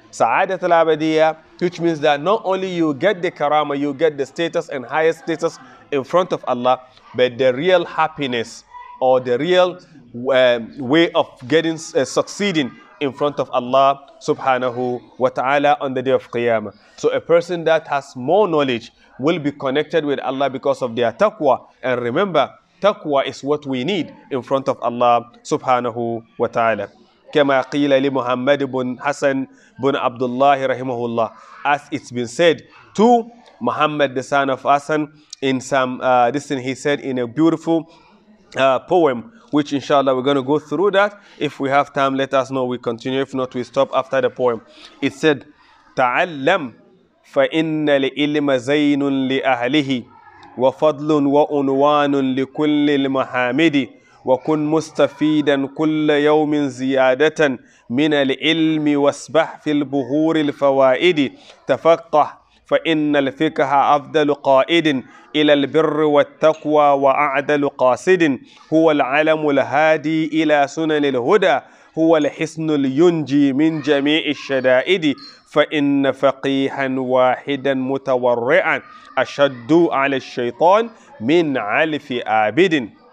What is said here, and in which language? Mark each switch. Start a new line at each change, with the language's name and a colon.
English: Sa'adat al-abadiyya, which means that not only you get the karama, you get the status and highest status in front of Allah, but the real happiness or the real way of getting succeeding in front of Allah subhanahu wa ta'ala on the day of Qiyamah. So a person that has more knowledge will be connected with Allah because of their taqwa. And remember, taqwa is what we need in front of Allah subhanahu wa ta'ala.
Arabic: كما قيل لمحمد بن حسن بن عبد الله رحمه الله.
English: As it's been said to Muhammad the son of Hassan in some this thing he said in a beautiful poem, which inshallah we're going to go through that. If we have time, let us know. We continue. If not, we stop after the poem. It said,
Arabic: تعلم فإن العلم زين لأهله وفضل وعنوان لكل المحامد وكن مستفيدا كل يوم زيادة من العلم واسبح في البهور الفوائد تفقه فإن الفقه أفضل قائد إلى البر والتقوى وأعدل قاصد هو العلم الهادي إلى سنن الهدى هو الحصن الينجي من جميع الشدائد فإن فقيها واحدا متورعا أشد على الشيطان من علف عابد.